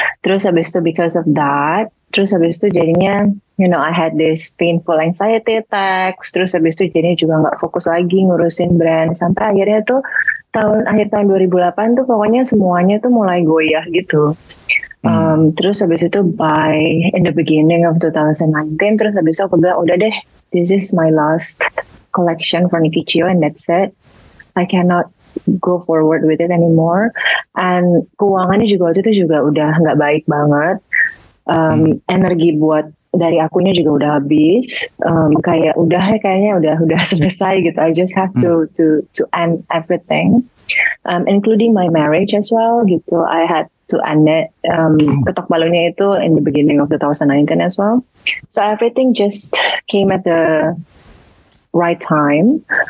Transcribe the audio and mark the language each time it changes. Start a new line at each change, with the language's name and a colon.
Indonesian: Terus habis itu
English: because of that,
Indonesian: terus habis itu jadinya,
English: you know, I had this painful anxiety attacks.
Indonesian: Terus habis itu jadinya juga gak fokus lagi ngurusin brand. Sampai akhirnya tuh akhir tahun 2008 tuh pokoknya semuanya tuh mulai goyah gitu. Terus habis itu
English: in the beginning of 2019,
Indonesian: terus habis itu aku bilang, udah deh,
English: this is my last collection for Nikichio and that's it. I cannot go forward with it anymore.
Indonesian: And keuangannya juga waktu itu juga udah gak baik banget. Energi buat dari akunya juga udah habis, kayaknya udah selesai gitu.
English: I just have to end everything, including my marriage as well gitu. I had to end it,
Indonesian: ketok palunya itu
English: in the beginning of 2019 as well. So everything just came at the right time.